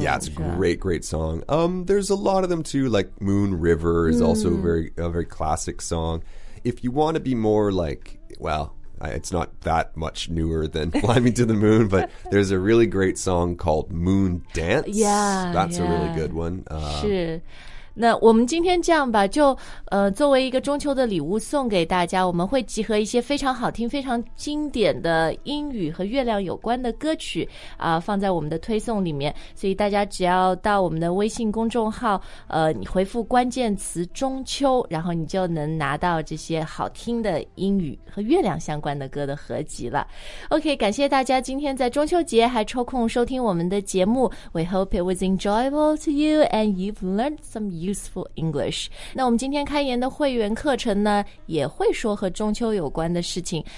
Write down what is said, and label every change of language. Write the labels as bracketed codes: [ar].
[en] Yeah, it's a great song. There's a lot of them too, like Moon River is also a very classic song. If you want to be more like, well, it's not that much newer than Fly Me to the Moon, but there's a really great song called Moon Dance. Yeah, that's a really good one. [zh] 是。那我们今天这样吧，就作为一个中秋的礼物送给大家，我们会集合一些非常好听、非常经典的英语和月亮有关的歌曲啊，放在我们的推送里面。所以大家只要到我们的微信公众号，你回复关键词“中秋”，然后你就能拿到这些好听的英语和月亮相关的歌的合集了。 OK， 感谢大家今天在中秋节还抽空收听我们的节目。 [en] We hope it was enjoyable to you and you've learned someUseful English. [zh] 那我们今天开言的会员课程呢，也会说和中秋有关的事情。